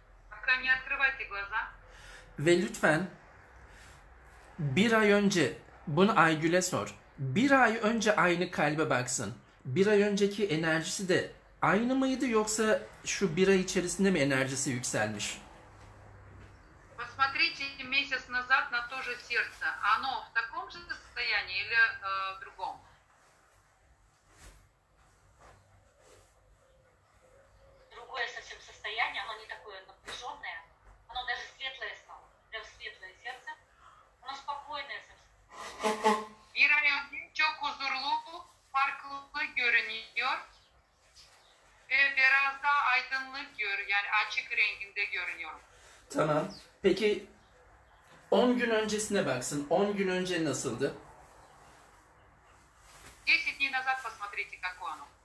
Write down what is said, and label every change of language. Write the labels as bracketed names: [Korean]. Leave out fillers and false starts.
[Russian] Пока не открывайте глаза. [Turkish] Ve lütfen bir ay önce, bunu Aygül'e sor. Bir ay önce aynı kalbe baksın. Bir ay önceki enerjisi de aynı mıydı yoksa şu bir ay içerisinde mi enerjisi yükselmiş? [Russian] Посмотрите месяц назад на то же сердце. Оно в таком же состоянии или в другом? Другое совсем состояние, оно не такое напряженное. Оно даже светлое стало. Прям светлое сердце. Оно спокойное совсем. [Turkish] Bir ay önce çok huzurlu, farklılıklı görünüyor. Ve biraz daha aydınlık görüyor, yani açık renginde görünüyor. Tamam. Peki 10 gün öncesine baksın. 10 gün önce nasıldı? [Russian] 10 дней назад посмотрите, как оно.